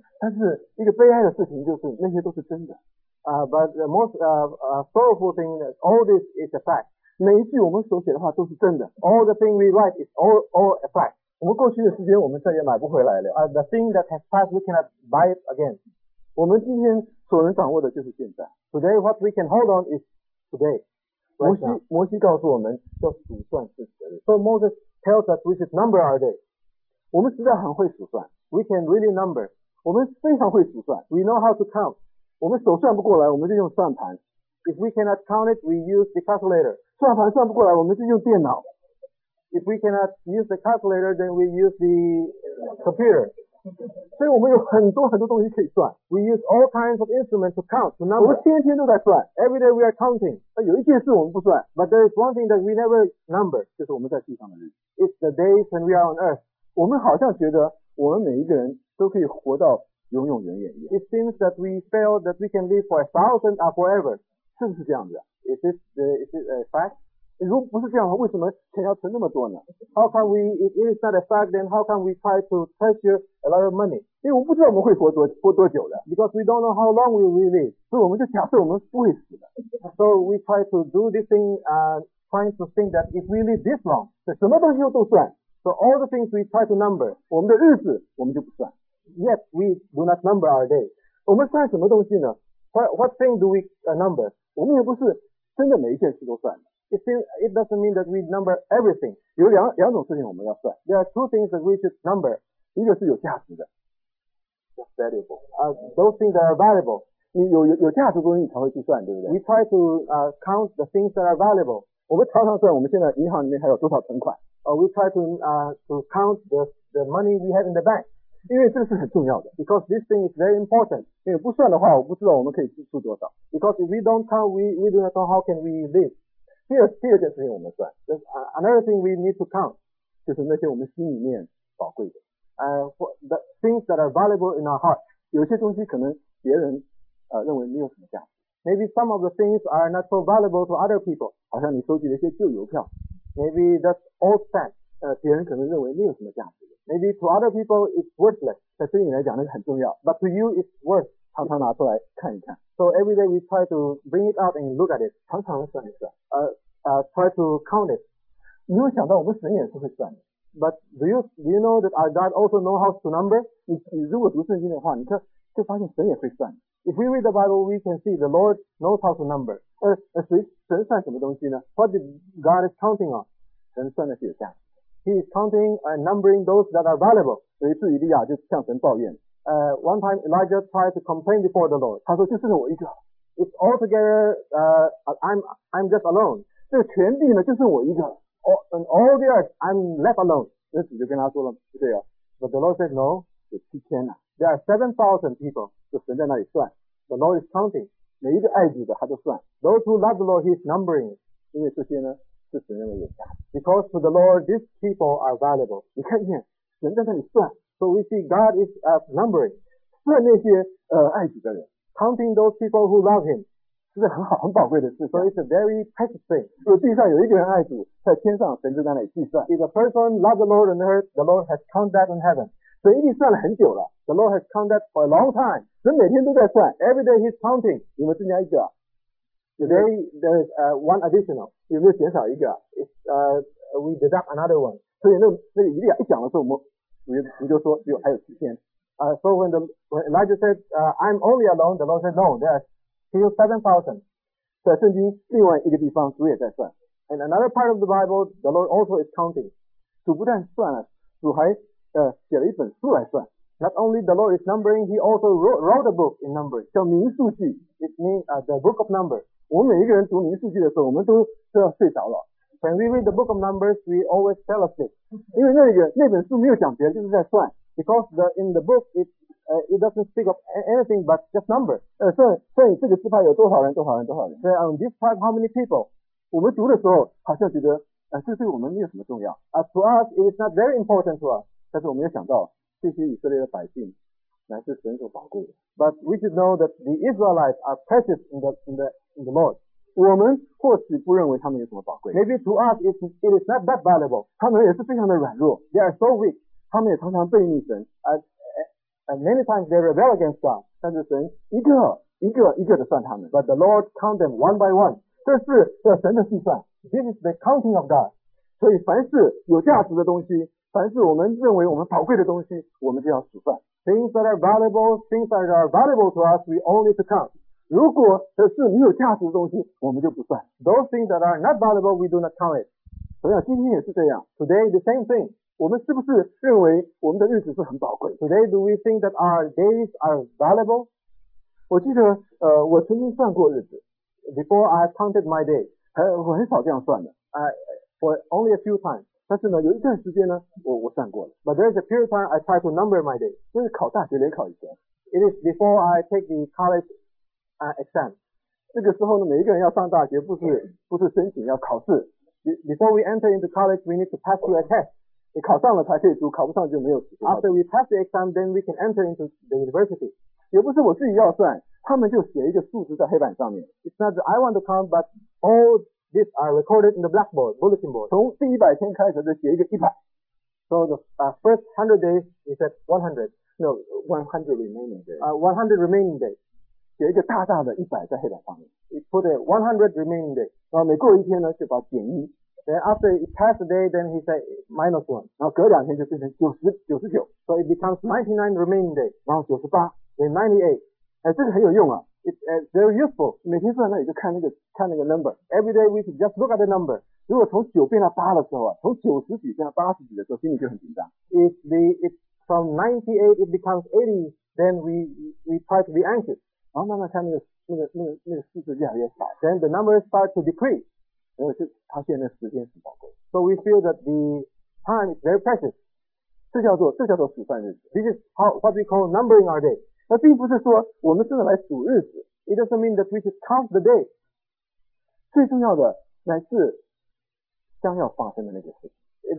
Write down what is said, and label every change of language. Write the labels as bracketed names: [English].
[Chinese] 但是一个悲哀的事情就是那些都是真的。 [English] But the most sorrowful thing is all this is a fact. [Chinese] 每一句我们所写的话都是真的。 [English] All the thing we write is all a fact. [Chinese] 我们过去的时间我们再也买不回来了。 [English] The thing that has passed, we cannot buy it again. [Chinese] 我们今天所能掌握的就是现在。 [English] Today, what we can hold on is today. [Chinese] 摩西告诉我们要数算自己的日子。 [English] So Moses tells us we should number our days. [Chinese] 我们实在很会数算。 [English] We can really number. [Chinese] 我们非常会数算。 [English] We know how to count. [Chinese] 我们手算不过来我们就用算盘。 [English] If we cannot count it, we use the calculator. [Chinese] 算盘算不过来我们就用电脑。 [English] If we cannot use the calculator, then we use the computer. [Chinese] 所以我们有很多很多东西可以算。 [English] We use all kinds of instruments to count, to number. [Chinese] 我们天天都在算。 [English] Every day we are counting. [Chinese] 有一件事我们不算 [English] ，But there is one thing that we never number， [Chinese] 就是我们在地上的日子。 [English] It's the days when we are on earth。 [Chinese] 我们好像觉得我们每一个人都可以活到永永远远。 [English] It seems that we feel that we can live for a thousand or forever。 [Chinese] 是不是这样子、啊、 [English] ？Is it a fact？ [Chinese] 如果不是这样的话，为什么钱要存那么多呢 [English] ？How can we if it is not a fact then how can we try to treasure a lot of money？ [Chinese] 因为我们不知道我们会活多久的。 [English] Because we don't know how long we will live。 [Chinese] 所以我们就假设我们不会死的。 [English] So we try to do this thing, trying to think that if we live this long, [Chinese] 什么东西都算。 [English] So all the things we try to number, [Chinese] 我们的日子我们就不算。 [English] Yet we do not number our days. [Chinese] 我们算什么东西呢 [English] ？What thing do we number? [Chinese] 我们也不是真的每一件事都算。 [English] It doesn't mean that we number everything. [Chinese] 有两种事情我们要算。 [English] There are two things that we should number. [Chinese] 一个是有价值的 [English] ，valuable. Those things that are valuable. [Chinese] 你有价值的东西你才会去算，对不对 [English] ？We try to count the things that are valuable. [Chinese] 我们常常算我们现在银行里面还有多少存款。 [English] We try to count the money we have in the bank. [Chinese] 因为这是很重要的。 [English] Because this thing is very important. [Chinese] 因为不算的话，我不知道我们可以支出多少。 [English] Because if we don't count, we do not know how can we live. [Chinese] 第二件事情我们算。 [English] Another thing we need to count. [Chinese] 就是那些我们心里面宝贵的。 [English] The things that are valuable in our heart. [Chinese] 有些东西可能别人认为没有什么价值。 [English] Maybe some of the things are not so valuable to other people. [Chinese] 好像你收集了一些旧邮票。 [English] Maybe that's old stamp. [Chinese] 别人可能认为没有什么价值。 [English] Maybe to other people it's worthless. [Chinese] 在对你来讲那个很重要。 [English] But to you it's worth. [Chinese] 常常拿出来看一看。 [English] So every day we try to bring it out and look at it. [Chinese] 常常算一算。 [English] Try to count it. [Chinese] 你有想到我们神也是会算的。 [English] But do you know that our God also knows how to number? [Chinese] 你如果读圣经的话，你看就发现神也会算。 [English] If we read the Bible, we can see the Lord knows how to number. [Chinese] 神算什么东西呢 [English] ？What did God is counting on? [Chinese] 神算的是有价值。 [English] He is counting and numbering those that are valuable. [Chinese] 有一次以利亚就向神抱怨。 [English] One time Elijah tried to complain before the Lord. [Chinese] 他说就剩我一个。 [English] It's altogether, I'm just alone. [Chinese] 这全地呢就剩我一个。 [English] On all the earth, I'm left alone. [Chinese] 那主就跟他说了，不对啊。 [English] But the Lord said no. [Chinese] 有七千呐。 [English] There are 7,000 people. [Chinese] 就神在那里算 [English] ，The Lord is counting， [Chinese] 每一个爱主的他都算 [English] ，Those who love the Lord he is numbering， [Chinese] 因为这些呢是神认为有价值 [English] ，Because to the Lord these people are valuable。 [Chinese] 你看见神在那里算 [English] ，So we see God is numbering， [Chinese] 算那些爱主的人 [English] ，Counting those people who love him， [Chinese] 是很好很宝贵的事 [English] ，So it's a very precious thing。 [Chinese] 如果地上有一个人爱主，在天上神就在那里计算 [English] ，If a person loves the Lord on earth， the Lord has counted that in heaven。 [Chinese] 神一定算了很久了 [English] ，The Lord has counted that for a long time。 [Chinese] 神每天都在算 [English] ，Every day he's counting。 [Chinese] 有没有增加一个 [English] ？Today there's one additional。 [Chinese] 有没有减少一个 [English] ？We deduct another one。 [Chinese] 所以那个以利亚一讲的时候，我们就说只有还有七千。 [English] So when Elijah said I'm only alone, the Lord said no, there are till 7,000. [Chinese] 在圣经另外一个地方主也在算。 [English] And another part of the Bible, the Lord also is counting. [Chinese] 主不但算了，主还写了一本书来算。 [English] Not only the Lord is numbering, he also wrote a book in numbers. [Chinese] 叫民数记。 [English] It means the book of numbers. [Chinese] 我们每一个人读民数记的时候，我们都是要睡着了。 [English] When we read the book of numbers, we always fell asleep. [Chinese] 因为那本书没有讲别的，就是在算。 [English] Because in the book, it doesn't speak of anything but just numbers. [Chinese] 算这个支派有多少人，多少人，多少人。 [English] So on this tribe, how many people? [Chinese] 我们读的时候好像觉得这对我们没有什么重要。 [English] To us, it is not very important to us. [Chinese] 但是我们也想到这些以色列的百姓乃是神所宝贵的。 [English] But we should know that the Israelites are precious in the Lord. [Chinese] 我们或许不认为他们有什么宝贵。 [English] Maybe to us it is not that valuable. [Chinese] 他们也是非常的软弱。 [English] They are so weak. [Chinese] 他们也常常背逆神。 [English] And many times they rebel against God. [Chinese] 但是神一个一个一个的算他们。 [English] But the Lord count them one by one. [Chinese] 这是神的计算。 [English] This is the counting of God. [Chinese] 所以凡是有价值的东西，凡是我们认为我们宝贵的东西，我们就要数算。 [English] Things that are valuable, things that are valuable to us, we all need to count. [Chinese] 如果这是没有价值的东西，我们就不算。 [English] Those things that are not valuable, we do not count it. [Chinese] 同样，今天也是这样。 [English] Today, the same thing. [Chinese] 我们是不是认为我们的日子是很宝贵 [English] ？Today, do we think that our days are valuable? [Chinese] 我记得我曾经算过日子。 [English] Before I counted my days, [Chinese] 我很少这样算的。 [English] For only a few times. [Chinese] 但是呢，有一段时间呢，我算过了。 [English] But there is a period of time I try to number my days. [Chinese] 就是考大学联考以前。 [English] It is before I take the college exam. [Chinese] 这个时候呢，每一个人要上大学，不是申请，要考试。 [English] Before we enter into college, we need to pass through a test. [Chinese] 你考上了才可以读，考不上就没有时间。 [English] After we pass the exam, then we can enter into the university. [Chinese] 也不是我自己要算，他们就写一个数字在黑板上面。 [English] It's not that I want to count, but all. These are recorded in the blackboard, bulletin board. [Chinese] 从第100天开始就写一个100。 [English] So the first 100 days is at 100. No, 100 remaining days. 100 remaining days. [Chinese] 写一个大大的100在黑板上面。 [English] It put a 100 remaining days. [Chinese] 然后每过一天呢就把减一。 [English] Then after it passed the day, then he said minus 1. [Chinese] 然后隔两天就变成99. [English] So it becomes 99 remaining days. [Chinese] 然后98。 [English] Then 98. [Chinese] 这个很有用啊。 [English] It's very useful. [Chinese] 每天坐在那里就看那个 number. [English] Every day we should just look at the number. [Chinese] 如果从九变到八的时候啊，从九十几变到八十几的时候，心里就很紧张。 [English] If from 98 it becomes 80, then we try to be anxious. [Chinese] 然后慢慢看那个数字越来越少。 [English] Then the numbers start to decrease. [Chinese] 然后就发现那时间是宝贵。 [English] So we feel that the time is very precious. [Chinese] 这叫做数算日子。 [English] This is what we call numbering our day. [Chinese] 那并不是说我们真的来数日子 [English] ，It doesn't mean that we should count the day. [Chinese] 最重要的乃是将要发生的那个事情。